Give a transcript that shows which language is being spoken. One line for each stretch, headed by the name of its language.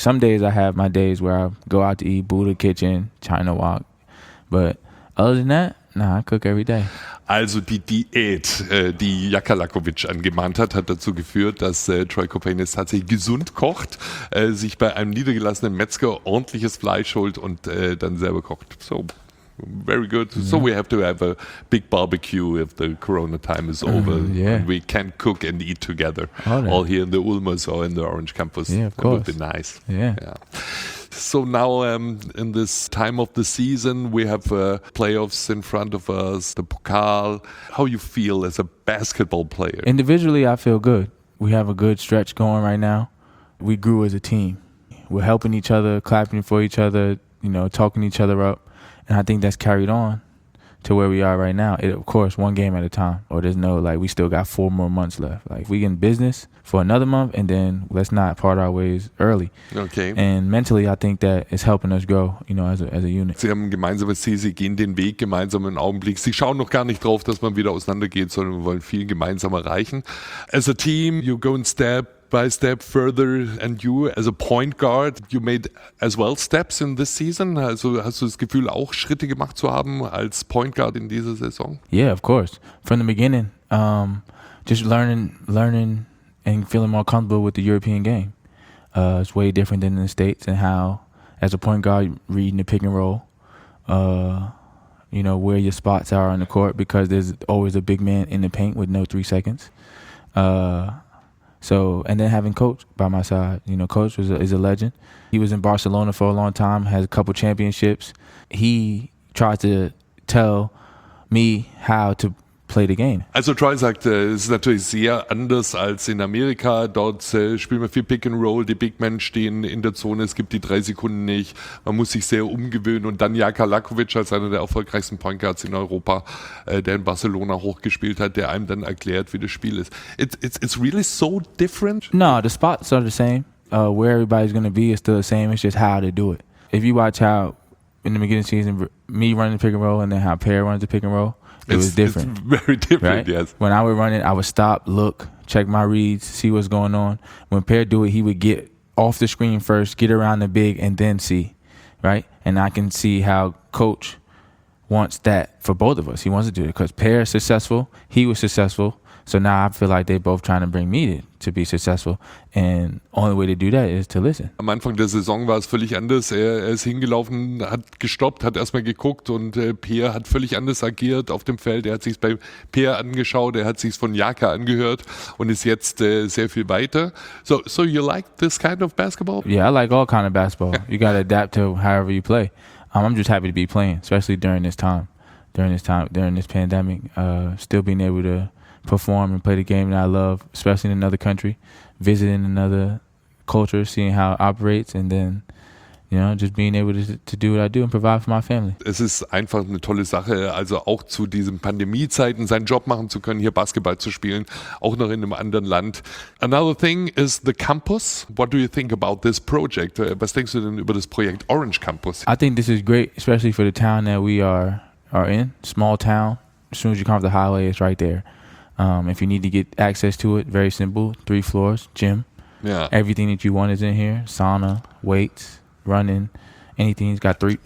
English: Some days I have my days where I go out to eat, Buddha Kitchen, China Walk. But other than that, nah, I cook every day.
German: Also die Diät, die Jakalakovic angemahnt hat, hat dazu geführt, dass Troy Copain jetzt tatsächlich gesund kocht, sich bei einem niedergelassenen Metzger ordentliches Fleisch holt und dann selber kocht.
English: So. Very good. Yeah. So we have to have a big barbecue if the corona time is over. Yeah. And we can cook and eat together. All here in the Ulmers or in the Orange Campus. Yeah, of that course. Would be nice. Yeah. So now in this time of the season, we have playoffs in front of us, the Pokal. How you feel as a basketball player? Individually, I feel good. We have a good stretch going right now. We grew as a team. We're helping each other, clapping for each other, you know, talking each other up. And I think that's carried on to where we are right now. It, of course, one game at a time. Or there's no, like, we still got 4 more months left. Like, we in business for another month, and then let's not part our ways early. Okay. And mentally, I think that is helping us grow, you know, as a unit.
German: Sie haben ein gemeinsames Ziel. Sie gehen den Weg gemeinsam im Augenblick. Sie schauen noch gar nicht drauf, dass man wieder auseinandergeht, sondern wir wollen viel gemeinsam erreichen.
English: As a team, you go and step by step further, and you as a point guard, you made as well steps in this season.
German: Also, hast du das Gefühl, auch Schritte gemacht zu haben als Point Guard in dieser Saison?
English: Yeah, of course. From the beginning, just learning, and feeling more comfortable with the European game. It's way different than in the States, and how, as a point guard, reading the pick and roll, you know, where your spots are on the court, because there's always a big man in the paint with no 3 seconds. So, and then having Coach by my side, you know, Coach is a legend. He was in Barcelona for a long time, has a couple championships. He tried to tell me how to play the game.
German: Also Troy sagt, es ist natürlich sehr anders als in Amerika. Dort spielen wir viel Pick and Roll, die Big Men stehen in der Zone, es gibt die 3 Sekunden nicht. Man muss sich sehr umgewöhnen. Und dann Jakalakovic als einer der erfolgreichsten Point Guards in Europa, der in Barcelona hochgespielt hat, der einem dann erklärt, wie das Spiel ist.
English: It's really so different? No, the spots are the same. Where everybody's going to be is still the same. It's just how to do it. If you watch how in the beginning of the season, me running the pick and roll and then how Pear runs the pick and roll, it was different. It's very different, Yes. When I would run it, I would stop, look, check my reads, see what's going on. When Pear do it, he would get off the screen first, get around the big, and then see, right? And I can see how Coach wants that for both of us. He wants to do it because Pear is successful. He was successful. So now I feel like they're both trying to bring me to be successful. And only way to do that is to listen.
German: Am Anfang der Saison war es völlig anders. Er ist hingelaufen, hat gestoppt, hat erstmal geguckt und Pierre hat völlig anders agiert auf dem Feld. Er hat sich's bei Pierre angeschaut, er hat sich's von Jaka angehört und ist jetzt sehr viel weiter.
English: So you like this kind of basketball? Yeah, I like all kind of basketball. You gotta adapt to however you play. I'm just happy to be playing, especially during this pandemic, still being able to perform and play the game that I love, especially in another country, visiting another culture, seeing how it operates, and then, you know, just being able to do what I do and provide for my family.
German: Es ist einfach eine tolle Sache, also auch zu diesen Pandemiezeiten seinen Job machen zu können, hier Basketball zu spielen, auch noch in einem anderen Land.
English: Another thing is the campus. What do you think about this project?
German: Was denkst du denn über das Projekt Orange Campus?
English: I think this is great, especially for the town that we are in, small town. As soon as you come off the highway, it's right there. If you need to get access to it, very simple, 3 floors, gym. Yeah. Everything that you want is in here, sauna, weights, running, anything. He's got 3.